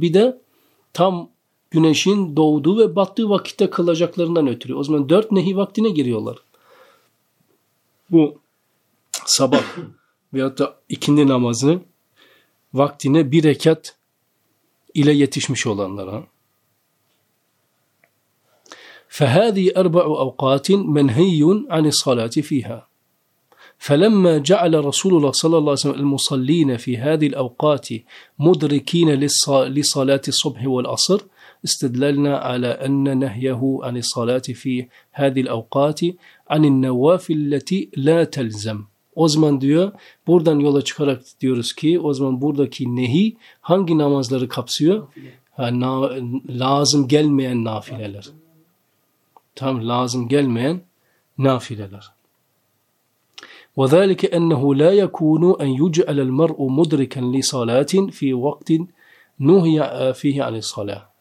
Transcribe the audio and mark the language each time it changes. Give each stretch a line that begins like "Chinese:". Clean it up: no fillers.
Turkish: Bir de tam güneşin doğduğu ve battığı vakitte kılacaklarından ötürü. O zaman dört nehi vaktine giriyorlar. Bu sabah veyahut da ikindi namazını vaktine bir rekat ile yetişmiş olanlara.
Arabic: فَهَذِي أَرْبَعُ أَوْقَاتٍ مَنْهِيٌ عَنِ الصَّلَاةِ فِيهَا فَلَمَّا جَعَلَ رَسُولُ اللَّهِ صَلَى اللَّهِ عَلَيْهِ وَسَلَّمَ الْمُصَلِّينَ فِي هَذِي الْأَوْقَاتِ مُدْرِكِينَ لِصَلَاةِ الصُّبْحِ وَالْعَصْرِ استدللنا على أن نهيه عن الصلاة في هذه الأوقات عن النوافل التي لا تلزم.
Turkish: O zaman diyor, buradan yola çıkarak diyoruz ki, o zaman buradaki nehi hangi namazları kapsıyor? Lazım gelmeyen nafileler. Tam lazım gelmeyen nafileler.
Arabic: وَذَلِكَ أَنَّهُ لَا يَكُونُ أَنْ يُجْعَلَ الْمَرْءُ مُدْرِكًا لِصَلَاةٍ فِي وَقْتٍ نُهِيَ فِيهِ عَنِ الصَّلَاةِ.